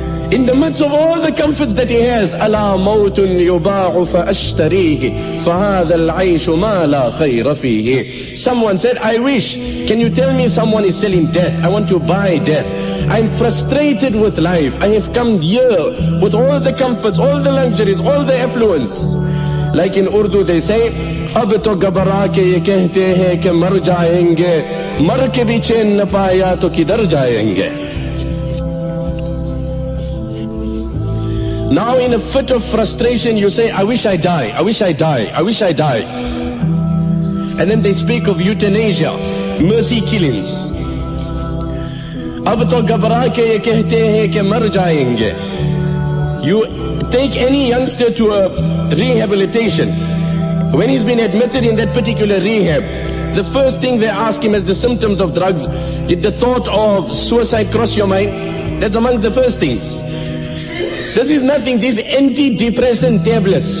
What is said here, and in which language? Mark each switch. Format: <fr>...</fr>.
<en>In the midst of all the comforts that he has,</en> <ar>أَلَا مَوْتٌ يُبَاعُ فَأَشْتَرِيهِ فَهَذَا الْعَيْشُ مَا لَا خَيْرَ فِيهِ.</ar> <en>Someone said, I wish, can you tell me someone is selling death? I want to buy death. I'm frustrated with life. I have come here with all the comforts, all the luxuries, all the affluence. Like in Urdu they say,</en> <ur>اب تو گبرا کے یہ کہتے ہیں کہ مر جائیں گے مر کے بھی چین نہ پایا تو کدھر جائیں گے.</ur> <en>Now in a fit of frustration you say, I wish I die, I wish I die, I wish I die. And then they speak of euthanasia, mercy killings.</en> <ur>اب تو گبرا کے یہ کہتے ہیں کہ مر جائیں گے.</ur> <en>You take any youngster to a rehabilitation. When he's been admitted in that particular rehab, the first thing they ask him as the symptoms of drugs, did the thought of suicide cross your mind? That's amongst the first things. This is nothing, these antidepressant tablets.</en>